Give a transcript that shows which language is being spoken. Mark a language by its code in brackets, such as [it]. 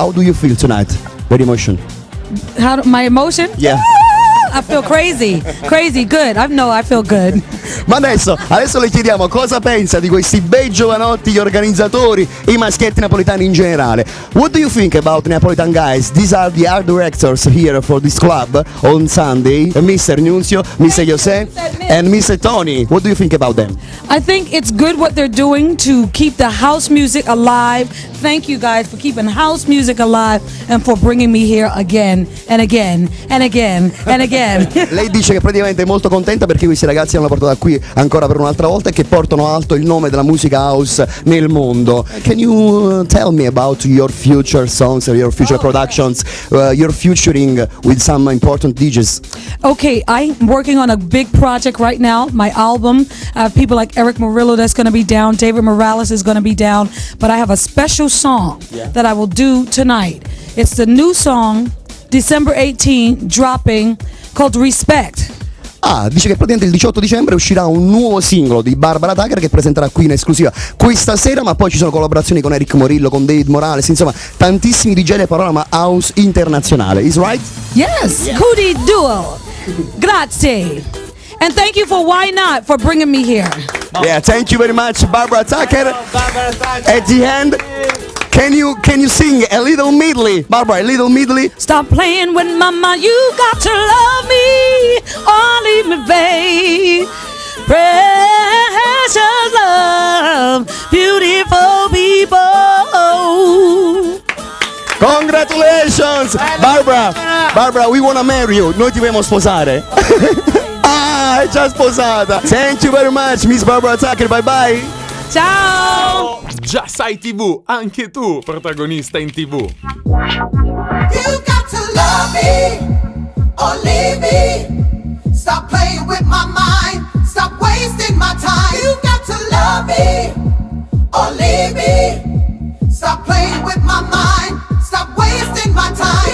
[en] How do you feel tonight? Very emotion. How my emotion? Yeah. I feel crazy. Crazy, good. I feel good. [it] Ma adesso le chiediamo cosa pensa di questi bei giovanotti, gli organizzatori, i maschietti napoletani in generale. [en] What do you think about Neapolitan guys? These are the art directors here for this club on Sunday. Mr. Nunzio, Mr. Jose, and Mr. Tony. What do you think about them? I think it's good what they're doing to keep the house music alive. Thank you guys for keeping house music alive and for bringing me here again and again and again and again. [it] Lei dice che praticamente è molto contenta perché questi ragazzi hanno portato qui ancora per un'altra volta e che portano alto il nome della musica house nel mondo. [en] Can you tell me about your future songs or your future productions, your futuring with some important DJs? Okay, I'm working on a big project right now, my album. I have people like Eric Murillo that's going to be down, David Morales is going to be down, but I have a special song that I will do tonight. It's the new song, December 18, dropping, called Respect. [it] Ah, dice che praticamente il 18 dicembre uscirà un nuovo singolo di Barbara Tucker che presenterà qui in esclusiva questa sera, ma poi ci sono collaborazioni con Eric Morillo, con David Morales, insomma tantissimi DJ del panorama house internazionale. [en] Is right? Yes, Cudi Duo, [it] grazie. [en] And thank you for Why Not for bringing me here. Yeah, thank you very much, Barbara Tucker. At the end, can you sing a little medley? Barbara, a little medley. Stop playing with mama, you got to love me. Oh, leave me, babe. Precious love, beautiful people. Congratulations, Barbara. Barbara, we want to marry you. [it] Noi ti vogliamo sposare. È già sposata. [en] Thank you very much, Miss Barbara Tucker. Bye bye. [it] Ciao. Già sai TV, anche tu protagonista in TV. [en] You got to love me or leave me. Stop playing with my mind, stop wasting my time. You got to love me or leave me. Stop playing with my mind, stop wasting my time.